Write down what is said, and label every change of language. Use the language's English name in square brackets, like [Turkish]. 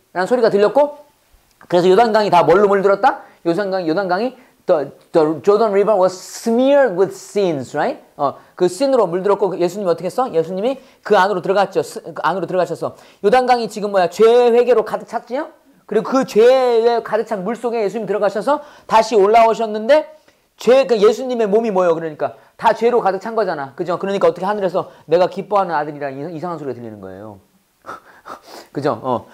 [Korean] 라는 소리가 들렸고 그래서 요단강이 다 뭘로 물들었다? 요단강이 [English] the Jordan River was smeared with sins, right? [Korean] 그 씬으로 물들었고 예수님이 어떻게 했어? 예수님이 그 안으로 들어갔죠. 그 안으로 들어가셔서 요단강이 지금 뭐야? 죄 회개로 가득 찼지요? 그리고 그 죄에 가득 찬 물 속에 예수님이 들어가셔서 다시 올라오셨는데 그 예수님의 몸이 뭐예요? 그러니까 다 죄로 가득 찬 거잖아. 그죠? 그러니까 어떻게 하늘에서 내가 기뻐하는 아들이라는 이상한 소리가 들리는 거예요. 그죠?